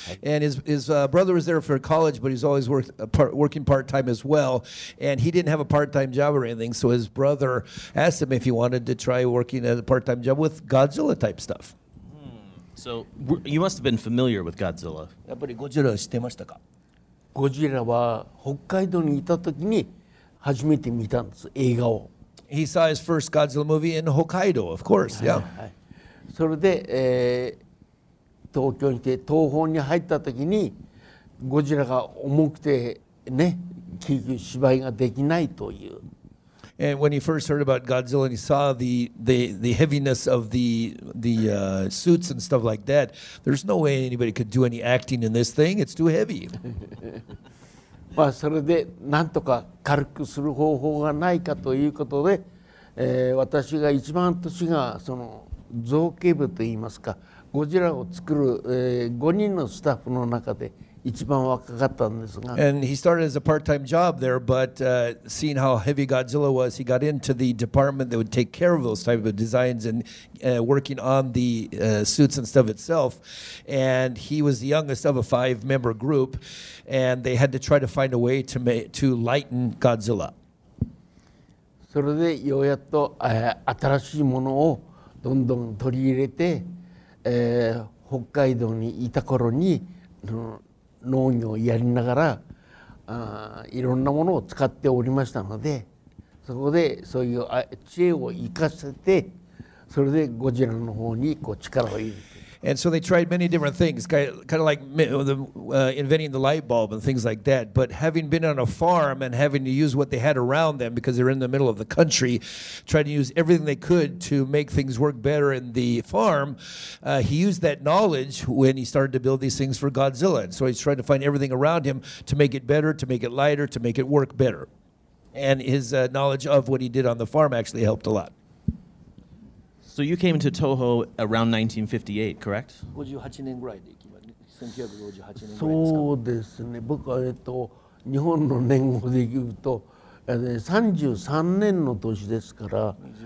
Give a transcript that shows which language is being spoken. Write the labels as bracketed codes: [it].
[en] And his brother was there for college, but he's always working part-time as well. And he didn't have a part-time job or anything, so his brother asked him if he wanted to try working at a part-time job with Godzilla type stuff. So you must have been familiar with Godzilla. [ja] やっぱりゴジラ知ってましたか？ゴジラは北海道にいた時に初めて見たんです、映画を。 [en] He saw his first Godzilla movie in Hokkaido, of course, yeah. [ja] それで、東京に来て東宝に入った時にゴジラが重くてね、結局芝居ができないという。 [en] And when he first heard about Godzilla and he saw the heaviness of the suits and stuff like that, there's no way anybody could do any acting in this thing. It's too heavy. [ja] まあそれでなんとか軽くする方法がないかということで、私が一番年がその造形部といいますか、ゴジラを作る、5人のスタッフの中で一番若かったんですが。 [en] And he started as a part-time job there, but seeing how heavy Godzilla was, he got into the department that would take care of those type of designs and working on the suits and stuff itself. And he was the youngest of a 5-member group, and they had to try to find a way to lighten Godzilla. [ja] それでようやっと新しいものをどんどん取り入れて、北海道にいた頃に、農業をやりながら、いろんなものを使っておりましたので、そこでそういう知恵を生かせて、それでゴジラの方にこう力を入れて。 [en] And so they tried many different things, kind of like inventing the light bulb and things like that. But having been on a farm and having to use what they had around them because they're in the middle of the country, trying to use everything they could to make things work better in the farm, he used that knowledge when he started to build these things for Godzilla. And so he's trying to find everything around him to make it better, to make it lighter, to make it work better. And his knowledge of what he did on the farm actually helped a lot. So you came to Toho around 1958, correct? [ja] 58年ぐらいで行きました。 1958年ぐらいですか。そうですね。僕は日本の年号で言うと、33年の年ですから。